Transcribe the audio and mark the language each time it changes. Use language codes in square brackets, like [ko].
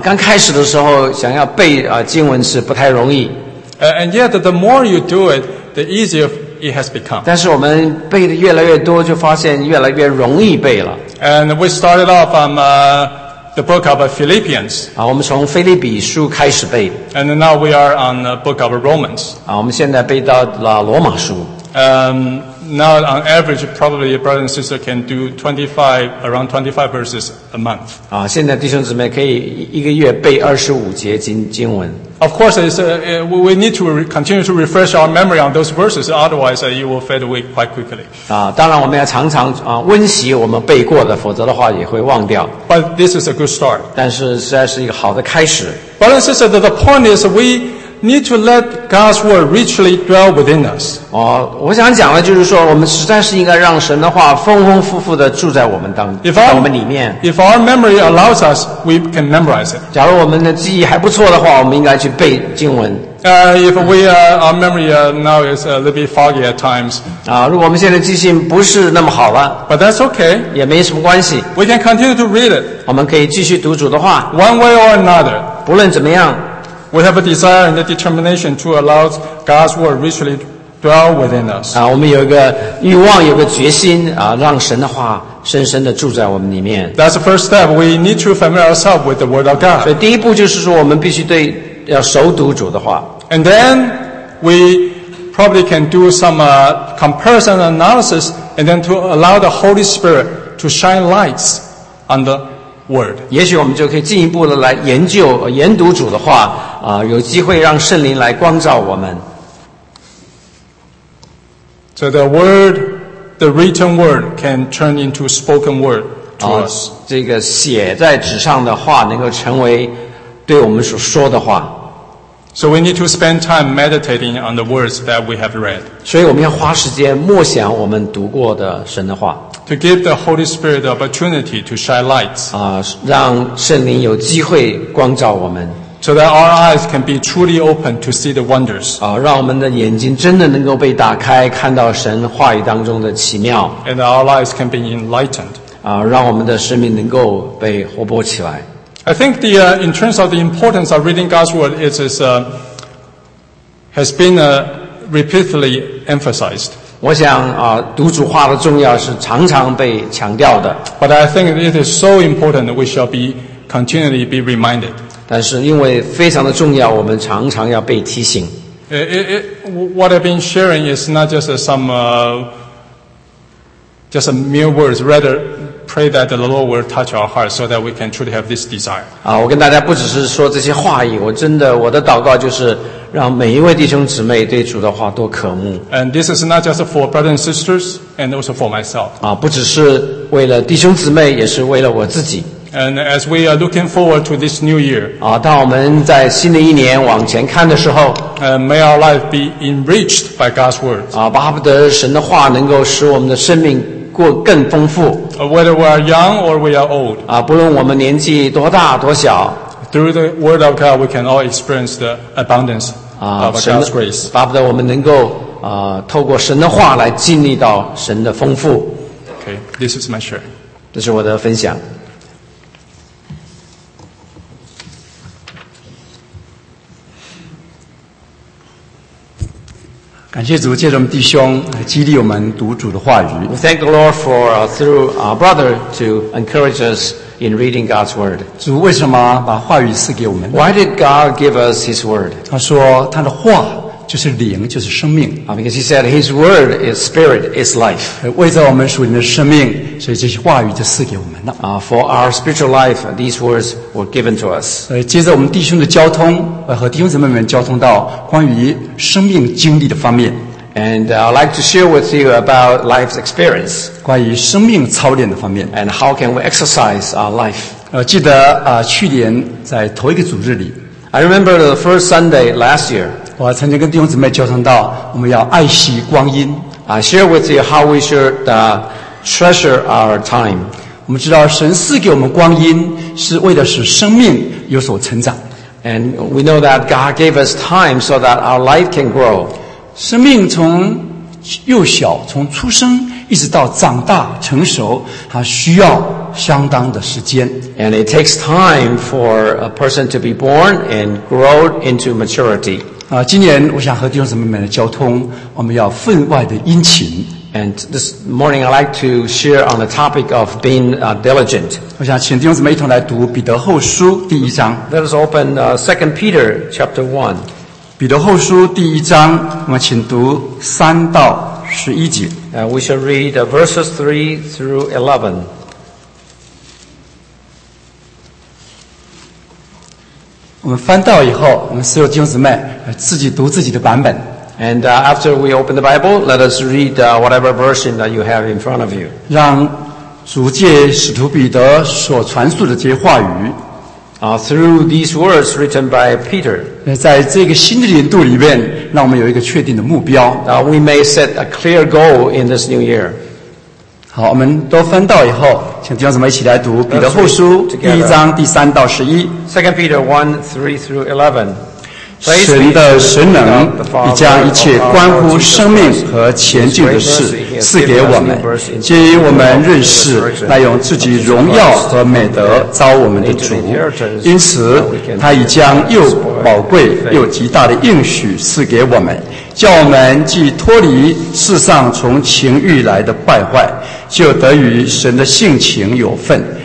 [zh] 刚开始的时候想要背经文是不太容易。 [en] And yet, the more you do it, the easier it has become. [zh] 但是我们背的越来越多，就发现越来越容易背了。 [en] And we started off from the book of Philippians. [zh] 我们从腓立比书开始背。 [en] And now we are on the book of Romans. [zh] 我们现在背到了罗马书。 [en] Now on average, probably a brother and sister can do 25 verses a month. [zh] 现在弟兄姊妹可以一个月背25节经文。 [en] Of course, we need to continue to refresh our memory on those verses, otherwise you will fade away quite quickly. [zh] 当然我们要常常温习我们背过的，否则的话也会忘掉。 [en] But this is a good start. [zh] 但是实在是一个好的开始。 [en] Brother and sister, the point is we need to let God's word richly dwell within us. [zh] 我想讲的就是说，我们实在是应该让神的话丰丰富富的住在我们在我们里面。 [en] If our memory allows us, we can memorize it. [zh] 假如我们的记忆还不错的话，我们应该去背经文。 [en] If we our memory now is a little bit foggy at times. [zh] 啊，如果我们现在记性不是那么好了。 [en] But that's okay. [zh] 也没什么关系。 [en] We can continue to read it. [zh] 我们可以继续读主的话。 [en] One way or another. [zh] 不论怎么样。 [en] We have a desire and a determination to allow God's word richly dwell within us. [zh] 啊，我们有一个欲望，有个决心啊，让神的话深深地住在我们里面。 [en] That's the first step. We need to familiarize ourselves with the word of God. [zh] 所以第一步就是说，我们必须对。要熟读主的话。 [en] And then we probably can do some comparison analysis and then to allow the Holy Spirit to shine lights on the word. [zh] 也许我们就可以进一步的来研究研读主的话、有机会让圣灵来光照我们。 [en] So the word, the written word can turn into spoken word to us. [zh] 这个写在纸上的话能够成为对我们所说的话。 [en] So we need to spend time meditating on the words that we have read. [zh] 所以我们要花时间默想我们读过的神的话。 [en] To give the Holy Spirit the opportunity to shine lights. [zh] 啊，让圣灵有机会光照我们。 [en] So that our eyes can be truly open to see the wonders. [zh] 啊，让我们的眼睛真的能够被打开，看到神话语当中的奇妙。 [en] And our lives can be enlightened. [zh] 啊，让我们的生命能够被活泼起来。 [en] I think the, in terms of the importance of reading God's word, it is, has been, repeatedly emphasized. [zh] 我想、读主话的重要是常常被强调的。 [en] But I think it is so important that we shall be continually be reminded. [zh] 但是因为非常的重要，我们常常要被提醒。 [en] What I've been sharing is not just some, just a mere words, rather,Pray that the Lord will touch our hearts so that we can truly have this desire. [zh] 啊，我跟大家不只是说这些话语，我真的我的祷告就是让每一位弟兄姊妹对主的话多渴慕。 [en] And this is not just for brothers and sisters, and also for myself. [zh] 啊，不只是为了弟兄姊妹，也是为了我自己。 [en] And as we are looking forward to this new year, [zh] 啊，当我们在新的一年往前看的时候 [en] ，May our life be enriched by God's words. [zh] 啊，巴不得神的话能够使我们的生命。过更丰富。 [en] Whether we are young or we are old, [zh] 啊，不论我们年纪多大多小。 [en] Through the word of God, we can all experience the abundance of God's grace. [zh] 巴不得我们能够透过神的话来经历到神的丰富。 [en] Okay, this is my share. [zh] 这是我的分享。感谢主，借着我们弟兄激励我们读主的话语。 [en] We thank the Lord for through our brother to encourage us in reading God's word. [zh] 主为什么把话语赐给我们 [en] ？Why did God give us His word? [zh] 他说他的话就是灵，就是生命。 [en] Because He said His word is spirit, is life. [zh] 为着我们属灵的生命，所以这些话语就赐给我们了。 [en] For our spiritual life, these words were given to us. [zh] 接着我们弟兄的交通，和弟兄姊妹们交通到关于生命经历的方面。 [en] And I'd like to share with you about life's experience. [zh] 关于生命操练的方面。 [en] And how can we exercise our life? [zh] 记得去年在头一个主日里。 [en] I remember the first Sunday last year. [zh] 我曾经跟弟兄姊妹交通到我们要爱惜光阴。 [en] I share with you how we should treasure our time. [zh] 我们知道神赐给我们光阴是为了使生命有所成长。 [en] And we know that God gave us time so that our life can grow. [zh] 生命从幼小从出生一直到长大成熟它需要相当的时间。 [en] And it takes time for a person to be born and grow into maturity. [zh] 今年我想和弟兄姊妹们的交通我们要分外的殷勤。 [en] And this morning I'd like to share on the topic of being diligent. [zh] 我想请弟兄姊妹一同来读彼得后书第一章。 [en] Let us open 2 Peter chapter 1. [zh] 彼得后书第一章我们请读3到11节。 [en] We shall read verses 3 through 11. [zh] 我们翻到以后我们所有弟兄姊妹自己读自己的版本 [en] And after we open the Bible let us read whatever version that you have in front of you [zh] 让主借使徒彼得所传述的这些话语 [en] Through these words written by Peter [zh] 在这个新的年度里面让我们有一个确定的目标 [en] We may set a clear goal in this new year [zh] 好我们都翻到以后请弟兄姊妹一起来读彼得后书第一章第3到11 [en] 2 Peter 1, 3 through 11 [zh] 神的神能已将一切关乎生命和前进的事赐给我们，借以我们认识乃用自己荣耀和美德招我们的主，因此他已将又宝贵又极大的应许赐给我们，叫我们既脱离世上从情欲来的败坏，就得与神的性情有份。